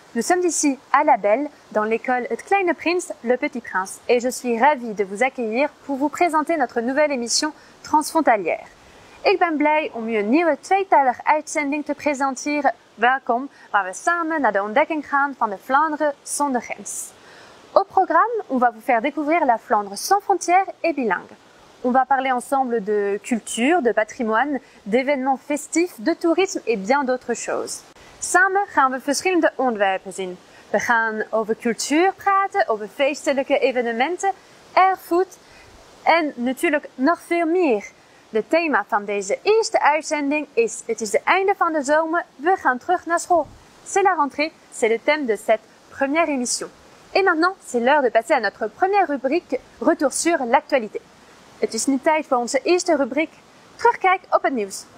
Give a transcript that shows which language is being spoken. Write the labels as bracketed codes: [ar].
[fr] Nous sommes ici à La Belle, dans l'école Het Kleine Prins, Le Petit Prince. Et je suis ravie de vous accueillir pour vous présenter notre nouvelle émission transfrontalière. [nl] Ik ben blij om je nieuwe tweetalige uitzending te presenteren. Welkom, waar we samen naar de ontdekking gaan van de Vlaanderen zonder grens. [fr] Au programme, on va vous faire découvrir la Flandre sans frontières et bilingue. On va parler ensemble de culture, de patrimoine, d'événements festifs, de tourisme et bien d'autres choses. [nl] Samen gaan we verschillende onderwerpen zien. We gaan over cultuur praten, over feestelijke evenementen, erfgoed en natuurlijk nog veel meer. De thema van deze eerste uitzending is: het is de einde van de zomer, we gaan terug naar school. [fr] C'est la rentrée, c'est le thème de cette première émission. Et maintenant, c'est l'heure de passer à notre première rubrique, retour sur l'actualité. [nl] Het is nu tijd voor onze eerste rubriek, terugkijk op het nieuws.